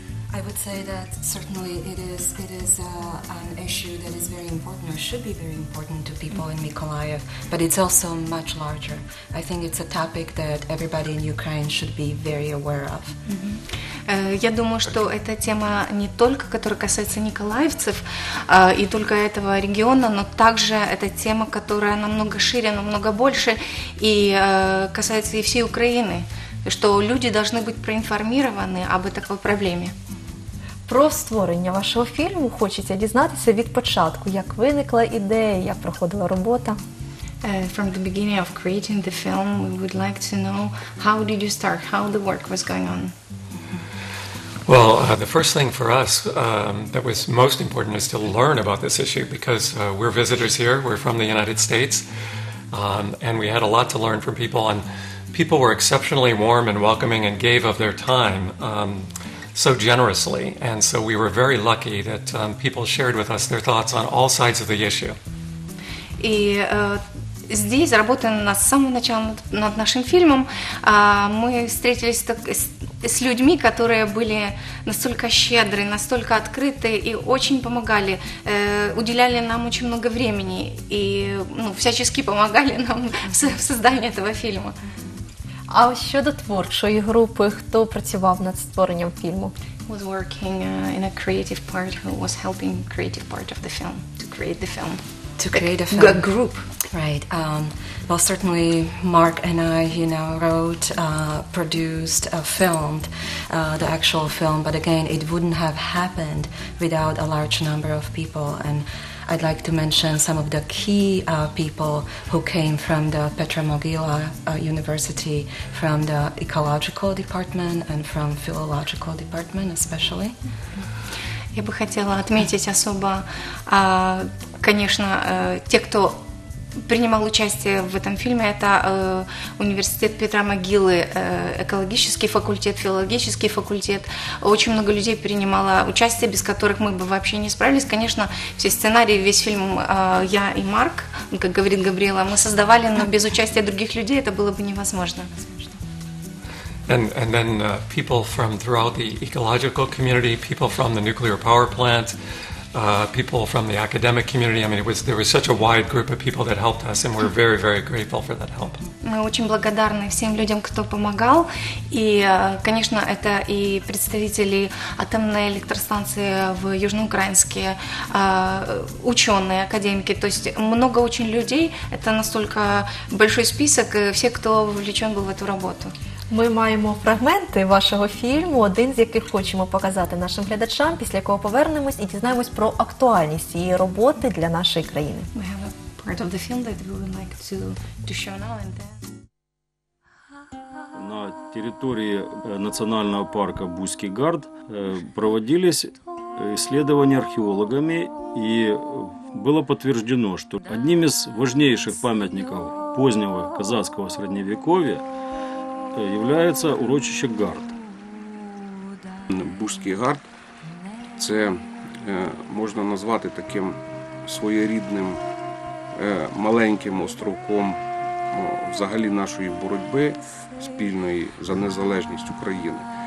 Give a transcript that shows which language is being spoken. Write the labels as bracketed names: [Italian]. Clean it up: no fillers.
[English] I would say that certainly it is an issue that is very important or should be very important to people in Mykolaiv, but it's also much larger. I think it's a topic that everybody in Ukraine should be very aware of. [Russian] Я думаю, что эта тема не только, которая касается николаевцев и только этого региона, но также это тема, которая намного шире, намного больше и касается и всей Украины, что люди должны быть проинформированы об этой проблеме. [Ukrainian] Про створення вашого фільму хочеться дізнатися від початку, як виникла ідея, як проходила робота. [English] From the beginning of creating the film, we would like to know how did you start, how the work was going on. Well, the first thing for us that was most important is to learn about this issue because we're visitors here, we're from the United States, and we had a lot to learn from people, and people were exceptionally warm and welcoming and gave of their time. So generously, and so we were very lucky that people shared with us their thoughts on all sides of the issue. [Russian] И здесь, работая над самого начала над нашим фильмом, мы встретились с людьми, которые были настолько щедры, настолько открыты и очень помогали, уделяли нам очень много времени и всячески помогали нам в создании этого фильма. [Ukrainian] А щодо творчої групи, хто працював над створенням фільму? [English] Was working in a creative part, who was helping creative part of the film, to create the film. To create a film. A group. Right. Well, certainly Mark and I, wrote, produced, filmed the actual film, but again, it wouldn't have happened without a large number of people. And I'd like to mention some of the key people who came from the Petra Mogila University, from the ecological department and from philological department especially. [Russian] Я бы хотела отметить особо, конечно, те, кто принимал участие в этом фильме, это университет Петра Могилы, экологический факультет, филологический факультет. Очень много людей принимало участие, без которых мы бы вообще не справились. Конечно, все сценарии, весь фильм я и Марк, как говорит Габриэла, мы создавали, но без участия других людей это было бы невозможно. [English] And then people from throughout the ecological community, people from the nuclear power plant, people from the academic community. I mean, there was such a wide group of people that helped us, and we're very, very grateful for that help. [Russian] Мы очень благодарны всем людям, кто помогал, и, конечно, это и представители атомной электростанции в Южноукраинске, ученые, академики. То есть много очень людей. Это настолько большой список. Все, кто вовлечен был в эту работу. [Ukrainian] Ми маємо фрагменти вашого фільму, один з яких хочемо показати нашим глядачам, після якого повернемось і дізнаємось про актуальність цієї роботи для нашої країни. [English] We have a part of the film that we would like to show now and then. [Ukrainian] На території національного парку Buskigard проводились [Russian] исследования археологами, и было подтверждено, что одним из важнейших памятников позднего казацкого средневековья является урочище Гард. [Ukrainian] Бузький Гард – це можна назвати таким своєрідним маленьким островком взагалі нашої боротьби спільної за незалежність України.